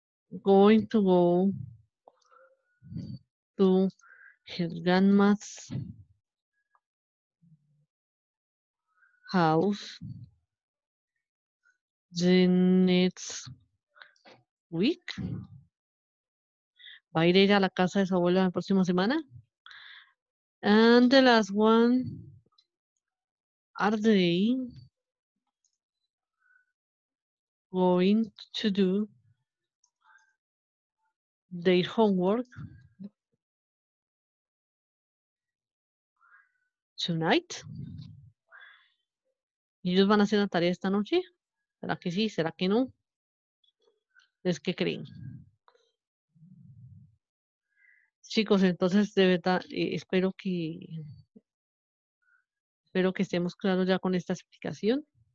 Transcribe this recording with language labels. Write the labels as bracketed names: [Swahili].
[English] going to go to his grandma's house the next week? [Spanish] ¿Va a ir ella a la casa de su abuela la próxima semana? [English] And the last one, are they going to do their homework tonight? [Spanish] ¿Ellos van a hacer la tarea esta noche? ¿Será que sí? ¿Será que no? ¿Es que creen? Chicos, entonces de verdad espero que estemos claros ya con esta explicación.